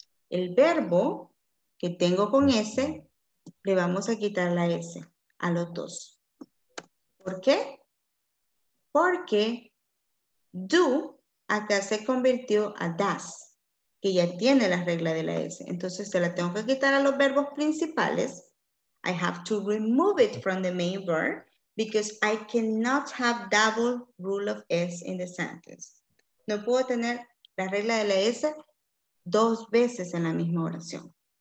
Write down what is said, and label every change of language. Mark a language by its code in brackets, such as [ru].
[es] El verbo que tengo con S, le vamos a quitar la S a los dos. ¿Por qué? Porque do acá se convirtió a does, que ya tiene la regla de la S. Entonces se la tengo que quitar a los verbos principales. [en] I have to remove it from the main verb because I cannot have double rule of S in the sentence. [es] No puedo tener la regla de la S dos veces en la misma oración.